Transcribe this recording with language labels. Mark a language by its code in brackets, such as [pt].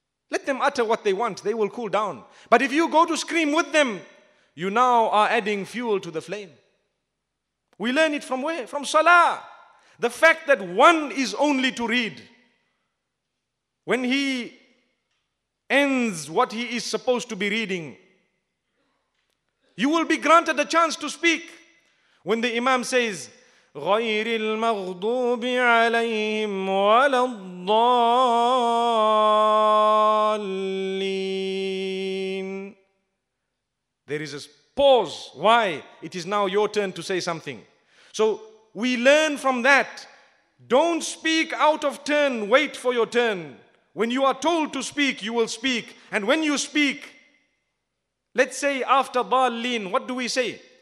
[en] Let them utter what they want, they will cool down. But if you go to scream with them, you now are adding fuel to the flame. We learn it from where? From Salah. The fact that one is only to read. When he ends what he is supposed to be reading, you will be granted a chance to speak. When the Imam says, [ar] غير المغضوب عليهم ولا الضالين. [en] There is a pause. Why? It is now your turn to say something. So we learn from that. Don't speak out of turn. Wait for your turn. When you are told to speak, you will speak. And when you speak, let's say after Dallin, what do we say?